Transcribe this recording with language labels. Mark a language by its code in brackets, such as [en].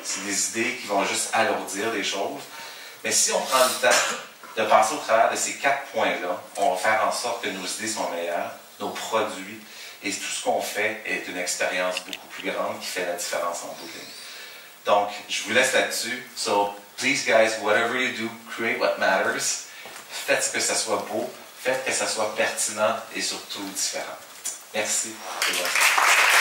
[fr] C'est des idées qui vont juste alourdir les choses. Mais si on prend le temps de passer au travers de ces quatre points-là, on va faire en sorte que nos idées sont meilleures, nos produits, et tout ce qu'on fait est une expérience beaucoup plus grande qui fait la différence en bout de ligne. Donc, je vous laisse là-dessus. [en] So, please, guys, whatever you do, create what matters. [fr] Faites que ça soit beau. Faites que ça soit pertinent et surtout différent. Merci.